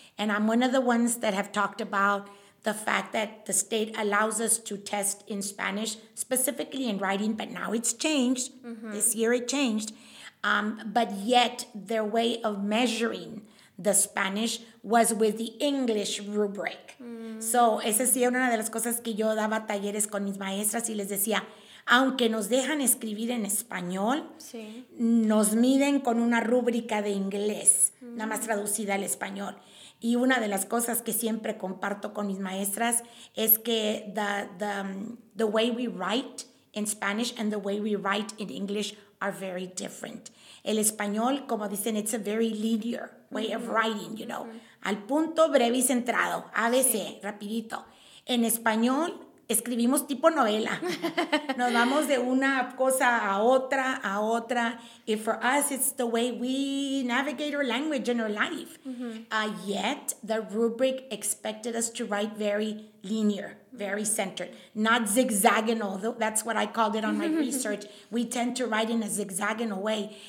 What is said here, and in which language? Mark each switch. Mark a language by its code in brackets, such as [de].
[en] And I'm one of the ones that have talked about the fact that the state allows us to test in Spanish, specifically in writing, but now it's changed. Mm-hmm. This year it changed. But yet their way of measuring the Spanish was with the English rubric. Mm. [es] So, esa sí era una de las cosas que yo daba talleres con mis maestras y les decía, aunque nos dejan escribir en español, sí, nos miden con una rúbrica de inglés, mm, nada más traducida al español. Y una de las cosas que siempre comparto con mis maestras es que [en] the way we write in Spanish and the way we write in English are very different. [es] El español, como dicen, [en] it's a very linear way of writing, you know. Mm-hmm. [es] Al punto, breve y centrado. ABC, sí, rapidito. En español, escribimos tipo novela. Nos vamos de una cosa a otra, a otra. [en] And for us, it's the way we navigate our language in our life. Mm-hmm. Yet, the rubric expected us to write very linear, very centered, not zigzagonal. That's what I called it on my research. We tend to write in a zigzagonal way.